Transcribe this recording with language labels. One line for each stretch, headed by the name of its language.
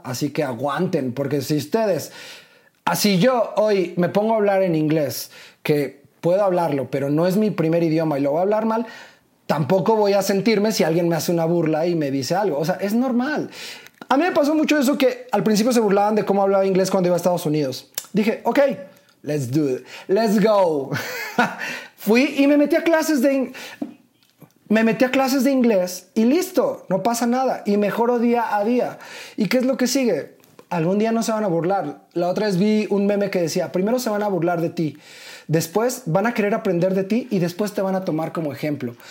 Spanish: Así que aguanten, porque si ustedes, así yo hoy me pongo a hablar en inglés, que puedo hablarlo, pero no es mi primer idioma y lo voy a hablar mal, tampoco voy a sentirme si alguien me hace una burla y me dice algo. O sea, es normal. A mí me pasó mucho eso, que al principio se burlaban de cómo hablaba inglés cuando iba a Estados Unidos. Dije,
English: ok, let's do it, let's go.
Spanish: Fui y me metí a clases de inglés y listo, no pasa nada. Y mejoro día a día. ¿Y qué es lo que sigue? Algún día no se van a burlar. La otra vez vi un meme que decía, primero se van a burlar de ti, después van a querer aprender de ti y después te van a tomar como ejemplo.